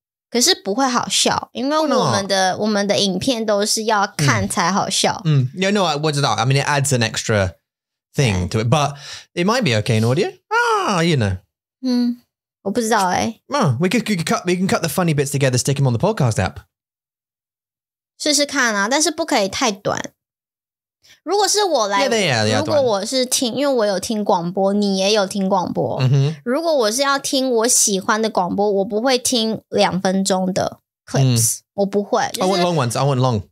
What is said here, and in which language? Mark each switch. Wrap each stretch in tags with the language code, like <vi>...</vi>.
<zh>可是不会好笑，因为我们的影片都是要看才好笑。</zh> <en>No, no, I don't know. I mean, it adds an extra thing to it, but it might be okay in audio. You know.</en> <zh>我不知道欸。</zh> <en>We can cut the funny bits together, stick them on the podcast app.</en> <zh>试试看啊，但是不可以太短。如果是我来，</zh> <en>yeah,</en> <zh>如果我是听，因为我有听广播，你也有听广播。如果我是要听我喜欢的广播，我不会听两分钟的 clips，我不会。</zh> <en>I want long ones, I want long.</en>